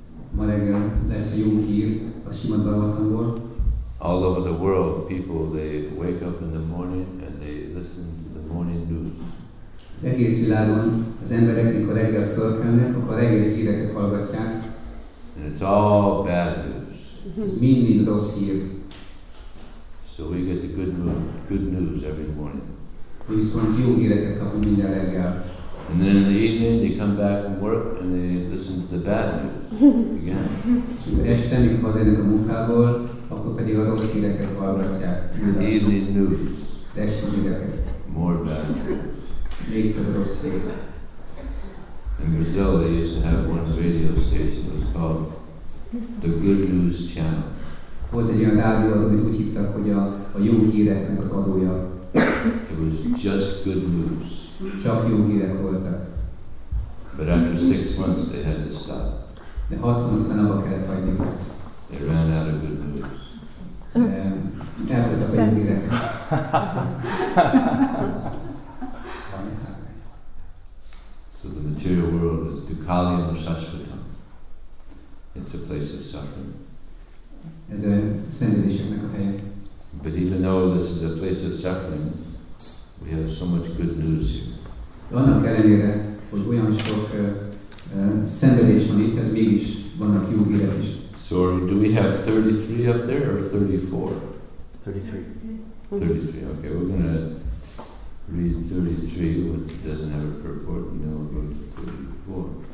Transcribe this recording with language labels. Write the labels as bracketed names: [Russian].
[Hungarian] Ma reggel lesz jó hír a Srimad Bhagavatamból. [English] All over the world, people, they wake up in the morning and they listen to the morning news. [Hungarian] Az egész világon az emberek, mikor reggel fölkelnek, akkor reggeli híreket hallgatják. [English] And it's all bad news. [Hungarian] Ez mind rossz hír. [English] So we get the good news every morning. [Hungarian] Viszont jó híreket kapunk minden reggel. [English] And then in the evening they come back from work and they listen to the bad news again. Evening news. More bad news. In Brazil they used to have one radio station. It was called the Good News Channel. It was just good news. [Hungarian] Csak jó hírek voltak. [English] But after 6 months they had to stop. [Hungarian] De 6 hónapban abba kellett hagyni. [English] They ran out of good news. [Hungarian] Elfogyott a jó hírek. [English] So the material world is Dukkhaliya Sashvatam. It's a place of suffering. [Hungarian] Ez a szenvedéseknek a helye. [English] But even though this is a place of suffering, we have so much good news here. [Hungarian] De annak ellenére, hogy olyan sok szenvedés van itt, ez mégis vannak jó hírek is. [English] So do we have 33 up there or 34? 33. Okay, we're going to read 33, which doesn't have a purport, and then we'll go to 34.